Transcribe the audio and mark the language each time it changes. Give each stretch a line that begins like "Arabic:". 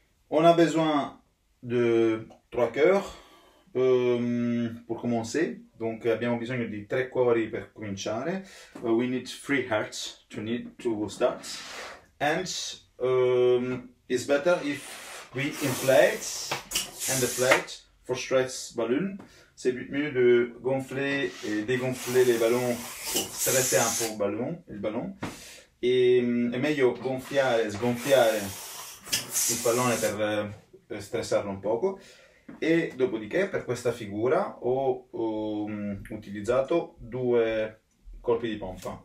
French: On a besoin de trois cœurs pour commencer.
Italian: Donc abbiamo bisogno di tre cuori per cominciare.
English: We need three hearts to start. And it's better if we inflate for stress balloon.
French: C'est mieux de gonfler et dégonfler les ballons pour stresser un peu le ballon.
Italian: Et meglio gonfiare il pallone per stressarlo un poco. E dopodiché, per questa figura, ho utilizzato due colpi di pompa.